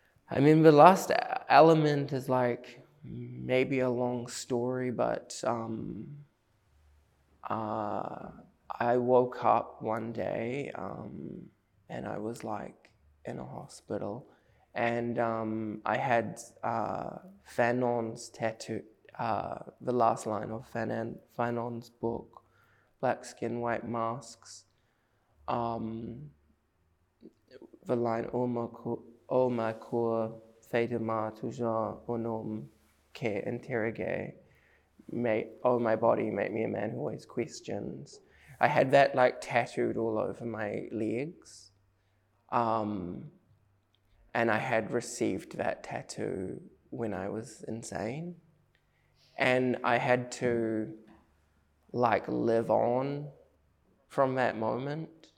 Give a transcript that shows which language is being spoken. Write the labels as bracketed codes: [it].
[en] I mean, the last element is like maybe a long story, but I woke up one day and I was like in a hospital, and I had Fanon's tattoo, the last line of Fanon's book, Black Skin, White Masks. [fr] The line, O ma cour, faites-moi toujours un homme qui interroge. [en] My body, make me a man who always questions. I had that like tattooed all over my legs. And I had received that tattoo when I was insane. And I had to like live on from that moment.